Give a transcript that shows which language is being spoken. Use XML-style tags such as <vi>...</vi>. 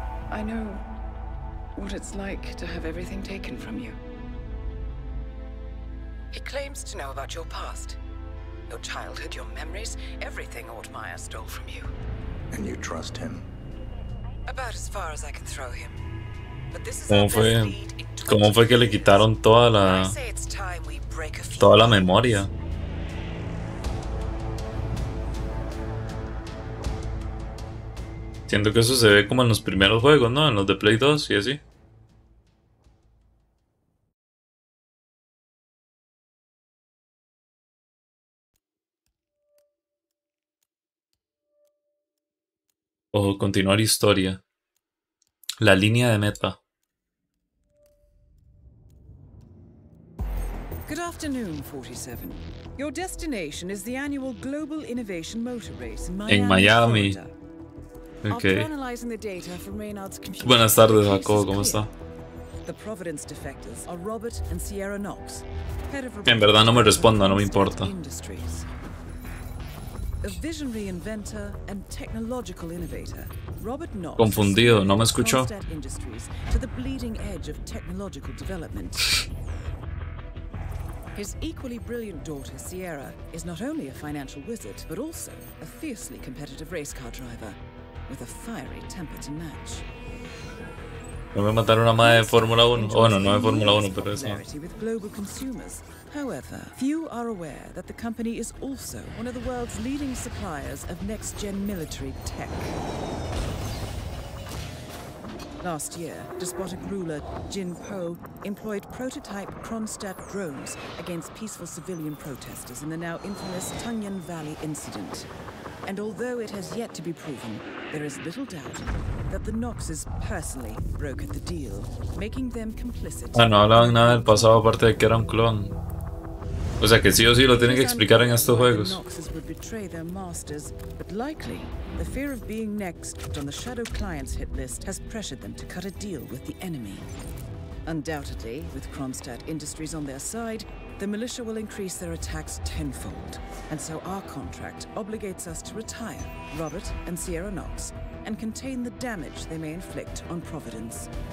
<en>I know what it's like to have everything taken from you. He claims to know about your past. Your childhood, your memories, everything Ortmeier stole from you. And you trust him? About as far as I can throw him. But this is</en> <es>¿Cómo fue? ¿Cómo fue que le quitaron toda la memoria? Siento que eso se ve como en los primeros juegos, ¿no? En los de Play 2 y así. Ojo, continuar historia. La línea de meta.</es> <en>Good afternoon, 47. Your destination is the annual Global Innovation Motor Race in Miami. Okay. After analyzing the data from Reynard's computer.</en> <es>Buenas tardes, Jacob, ¿cómo está?</es> <en>The Providence defectors are Robert and Sierra Knox.</en> <es>En verdad no me responda, no me importa.</es> <en>A visionary inventor and technological innovator, Robert Knox.</en> <es>Confundido, no me escuchó.</es> <en>To the bleeding edge of technological development. His equally brilliant daughter, Sierra, is not only a financial wizard, but also a fiercely competitive race car driver, with a fiery temper to match.</en> <es>No me mataron una madre de Fórmula 1. Oh, no, no de Fórmula 1, pero eso.</es> <en>With global consumers. However, few are aware that the company is also one of the world's leading suppliers of next-gen military tech. Last year, despotic ruler Jin Po employed prototype Kronstadt drones against peaceful civilian protesters in the now infamous Tungyan Valley incident. And although it has yet to be proven, there is little doubt that the Knoxes personally brokered the deal, making them complicit.</en> <es>Ah, no hablaban nada del pasado aparte de que era un clon. O sea que sí o sí lo tienen que explicar en estos juegos.</es> <en>The Knoxes would betray their masters, but likely the fear of being next on the Shadow Client's hit list has pressured them to cut a deal with the enemy. Undoubtedly, with Kronstadt Industries on their side, the militia will increase their attacks tenfold, and so our contract obligates us to retire Robert and Sierra Knox and contain the damage they may inflict on Providence.</en>